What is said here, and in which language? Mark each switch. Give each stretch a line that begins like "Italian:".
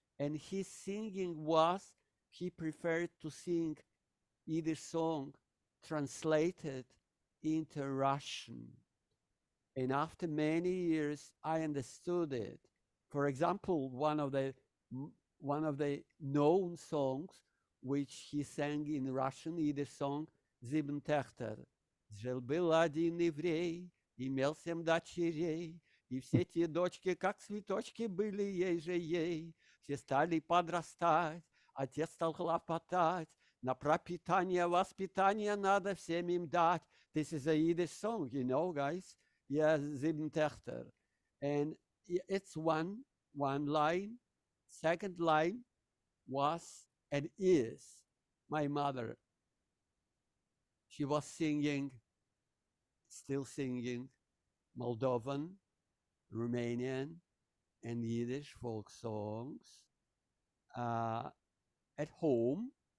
English: And his singing was, he preferred to sing Yiddish song translated into Russian. And after many years, I understood it. For example, one of the known songs which he sang in Russian, Yiddish song, Sieben Töchter.
Russian: Жил был один еврей, имел семь дочерей, и все те дочки, как цветочки, были ей же ей. Все стали подрастать, отец стал хлопотать, на пропитание, воспитание надо всем им дать.
English: This is a Yiddish song, you know, guys. Yeah, Sieben Töchter. And it's one line. Second line was and is my mother. She was singing, still singing, Moldovan, Romanian, and Yiddish folk songs at home.